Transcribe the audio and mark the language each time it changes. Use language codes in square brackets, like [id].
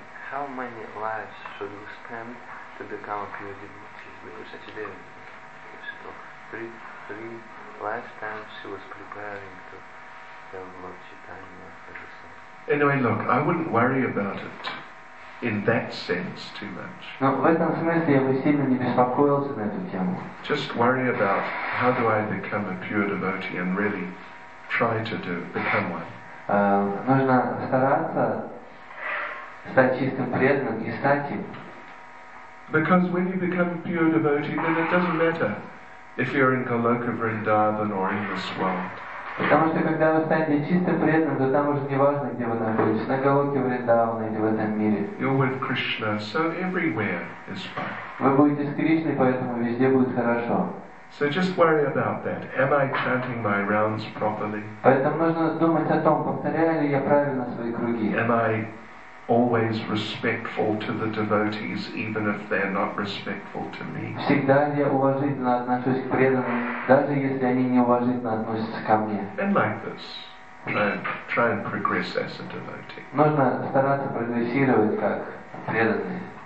[en] How many lives should we spend to become a pure devotee? Because Шачи Деви, three lifetimes she was preparing to. Anyway, look, I wouldn't worry about it in that sense too much. [ru] Но в этом смысле я бы сильно не беспокоился на эту тему. [en] Just worry about how do I become a pure devotee and really try to do become one. [ru] Нужно стараться стать чистым преданным и стать им. [en] Because when you become a pure devotee, then it doesn't matter if you're in Goloka Vrindavan or in this world. [ru] Потому что когда вы станете чистым преданным, то там уже не важно, где вы находитесь, на Голоке Вриндаване или в этом мире. [en] You're with Krishna, so everywhere is fine. [ru] Вы будете с Кришной, поэтому везде будет хорошо. [en] So just worry about that. Am I chanting my rounds properly? [ru] Поэтому нужно думать о том, повторяю ли я правильно свои круги. [en] Am I always respectful to the devotees, even if they're not respectful to me? [ru] Всегда ли я уважительно отношусь к преданным, даже если они не уважительно относятся ко мне? [en] And like this, try and progress as a devotee. [ru] Нужно стараться прогрессировать как преданный.